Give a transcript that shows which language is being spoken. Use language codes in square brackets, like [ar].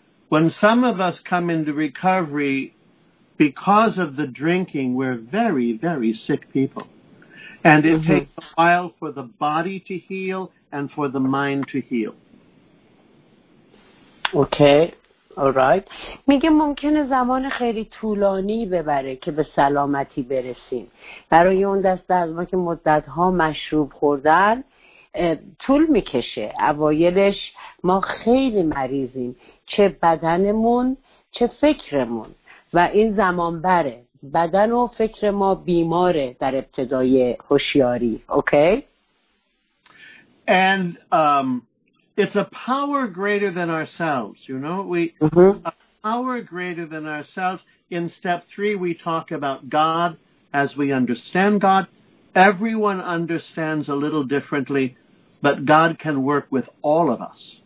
[en] When some of us come into recovery because of the drinking, we're very, very sick people. And it takes a while for the body to heal and for the mind to heal. Okay. All right. [fa] میگه ممکنه زمان خیلی طولانی ببره که به سلامتی برسیم. برای اون دسته از ما که مدت‌ها مشروب خوردن طول میکشه. اوایلش ما خیلی مریضیم، چه بدنمون چه فکرمون، و این زمان بره. بدن و فکر ما بیماره در ابتدای هوشیاری. [en] Okay? And It's a power greater than ourselves, you know. A power greater than ourselves. In step three, we talk about God as we understand God. Everyone understands a little differently, but God can work with all of us.